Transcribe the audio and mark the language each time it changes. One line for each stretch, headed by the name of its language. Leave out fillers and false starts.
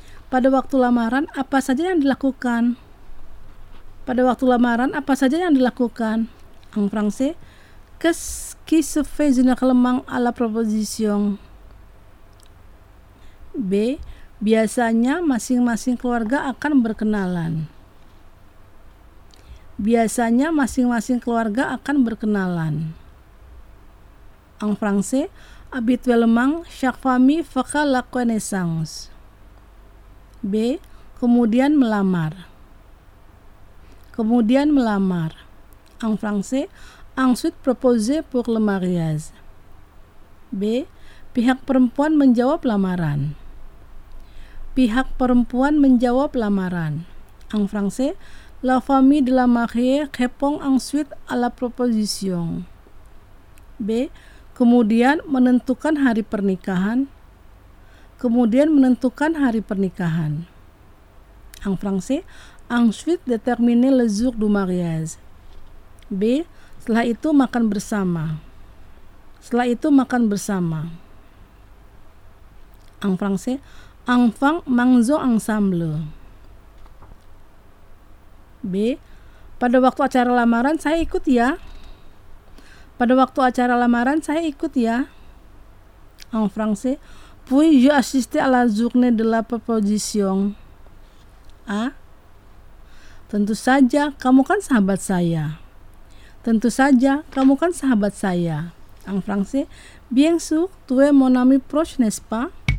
Indonesian: pada waktu lamaran apa saja yang dilakukan? Pada waktu lamaran apa saja yang dilakukan?
French: En français, qu'est-ce qui se fait généralement à la proposition?
Indonesian: B. Biasanya masing-masing keluarga akan berkenalan. Biasanya masing-masing keluarga akan berkenalan.
French: En français, habituellement chaque famille fera la connaissance. B.
Indonesian: Kemudian melamar. Kemudian melamar.
French: En français, ensuite proposer pour le mariage. B.
Indonesian: Pihak perempuan menjawab lamaran. Pihak perempuan menjawab lamaran.
French: En français, la famille de la mariée répond ensuite à la proposition. B.
Indonesian: Kemudian menentukan hari pernikahan. Kemudian menentukan hari pernikahan.
French: En français, ensuite déterminer le jour du mariage. B.
Indonesian: Setelah itu makan bersama. Setelah itu makan bersama.
French: En français, enfin mangeons ensemble. B.
Indonesian: Pada waktu acara lamaran saya ikut ya. Pada waktu acara lamaran saya ikut ya.
French: En français, puis-je assister à la journée de la proposition? A.
Indonesian: Tentu saja, kamu kan sahabat saya. Tentu saja, kamu kan sahabat saya.
French: En français, bien sûr, tu es mon ami proche, n'est-ce pas?